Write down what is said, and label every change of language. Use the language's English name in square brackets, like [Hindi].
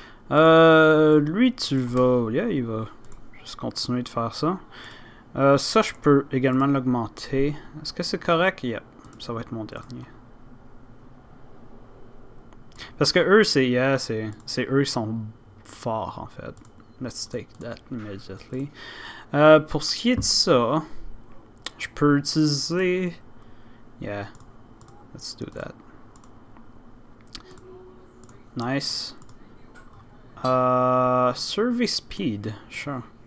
[French] Lui, tu vas. Yeah, il va juste continuer de faire ça. Ça, je peux également l'augmenter. Est-ce que c'est correct? Yep, ça va être mon dernier. Parce que eux, c'est. Yeah, c'est eux qui sont forts en fait. [English] Let's take that immediately. [French] Pour ce qui est de ça, je peux utiliser. [English] Yeah. Let's do that. Nice. Survey speed. Sure.